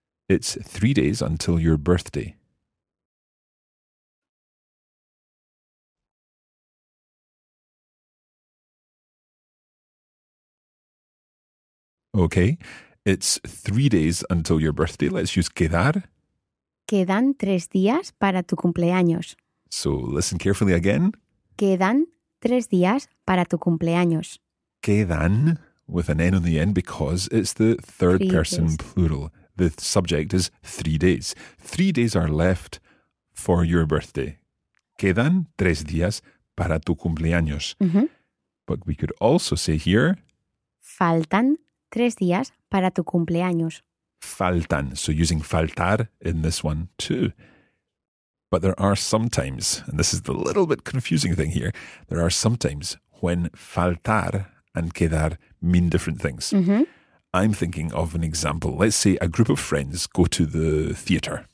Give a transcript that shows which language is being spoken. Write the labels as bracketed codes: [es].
[en] It's 3 days until your birthday. Okay. It's 3 days until your birthday. Let's use quedar. [es] Quedan 3 días para tu cumpleaños. [en] So listen carefully again. [es] Quedan 3 días para tu cumpleaños. [en] Quedan with an N on the end because it's the third person plural. The subject is 3 days. 3 days are left for your birthday. [es] Quedan 3 días para tu cumpleaños. [en] But we could also say here. [es] Faltan 3 días para tu cumpleaños. [en] Faltan. So using faltar in this one too. But there are sometimes, and this is the little bit confusing thing here, there are sometimes when faltar and quedar mean different things. Mm-hmm. I'm thinking of an example. Let's say a group of friends go to the theatre.